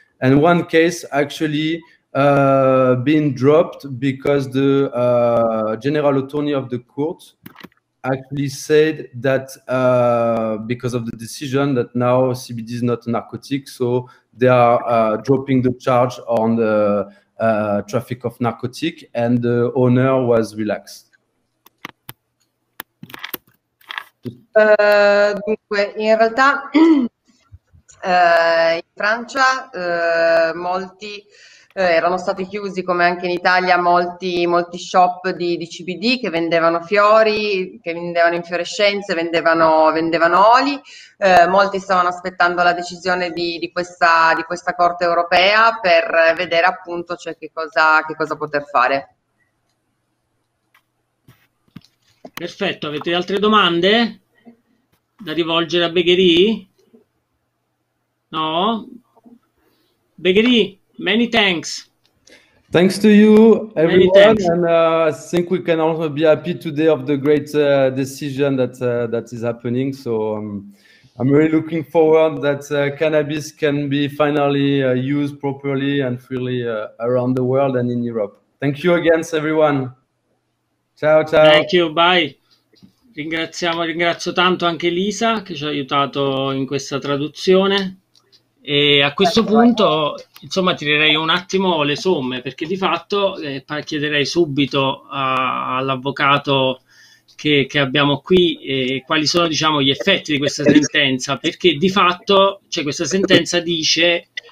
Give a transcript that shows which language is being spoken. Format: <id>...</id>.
<en>And one case actually been dropped because the general attorney of the court actually said that because of the decision that now CBD is not a narcotic, so they are dropping the charge on the traffic of narcotic, and the owner was relaxed.</en> <it>Dunque, in realtà in Francia molti erano stati chiusi, come anche in Italia, molti shop di CBD che vendevano fiori, che vendevano infiorescenze, vendevano oli. Molti stavano aspettando la decisione di questa Corte europea per vedere appunto, cioè, che cosa poter fare. Perfetto, avete altre domande da rivolgere a Begheri?</it> <en>No? Begheri, many thanks. Thanks to you, everyone. Many thanks. And I think we can also be happy today of the great decision that that is happening. So I'm really looking forward that cannabis can be finally used properly and freely around the world and in Europe. Thank you again, everyone.</en> <it>Ciao, ciao.</it> <en>Thank you, bye.</en> <it>Ringrazio tanto anche Lisa che ci ha aiutato in questa traduzione. E a questo punto, insomma, tirerei un attimo le somme, perché di fatto chiederei subito all'avvocato che abbiamo qui quali sono, diciamo, gli effetti di questa sentenza, perché di fatto questa sentenza dice</it>